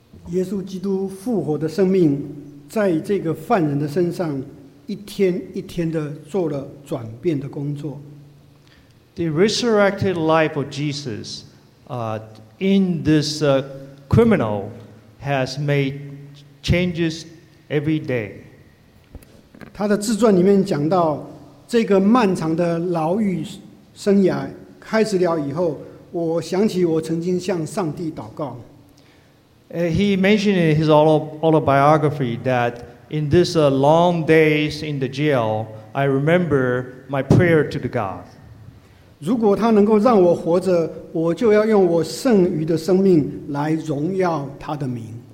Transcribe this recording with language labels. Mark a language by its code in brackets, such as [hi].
[zh] 耶稣基督复活的生命，在这个犯人的身上，一天一天的做了转变的工作。 [en] The resurrected life of Jesus in this criminal has made changes every day. [zh] 他的自传里面讲到，这个漫长的牢狱生涯开始了以后，我想起我曾经向上帝祷告。 [en] He mentioned in his autobiography that in these long days in the jail, I remember my prayer to the God. [zh] 如果他能够让我活着，我就要用我剩余的生命来荣耀他的名。